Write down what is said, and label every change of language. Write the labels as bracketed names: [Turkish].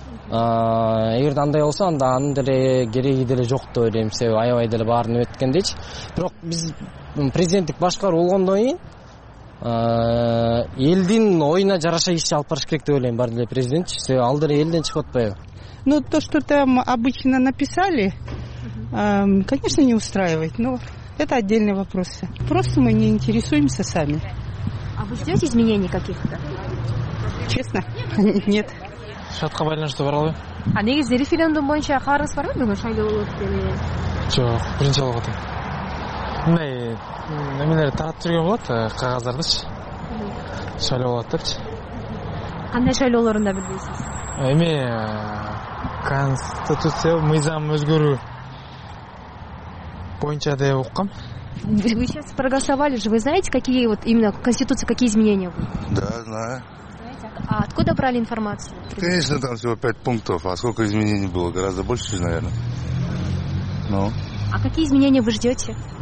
[Kyrgyz] Эгерде андай болсо анда анын деле кереги деле жок деп ойлойм, себеби аябай деле баарын өткөндөчү. Бирок биз президенттик башкаруу болгондон кийин элдин оюна жараша иши алып барыш керек деп ойлойм баары эле президентчи, себеби ал деле элден чыгып атпайбы. [Russian] Ну то что там обычно написали, конечно не устраивает, но это отдельный вопрос. Просто мы не интересуемся сами. А вы ждете изменений каких-то? Честно? Нет. [Kyrgyz] Шатка байланыштуу бара албайм. А негизи референдум боюнча кааларыңыз барбы бүгүн шайлоо болот деле? Жок, биринчи алып атам. Мындай эмелерди таратып жүргөн болот, кагаздардычы. Шайлоо болот депчи. Кандай шайлоолорун да билбейсиз? Эми конституция, мыйзам өзгөрүү боюнча деп уккам. [Russian] Вы сейчас проголосовали же, вы знаете, какие вот именно конституция, какие изменения будут? Да, знаю. А откуда брали информацию? Конечно, там всего 5 пунктов, а сколько изменений было? Гораздо больше, наверное. Ну. А какие изменения вы ждете?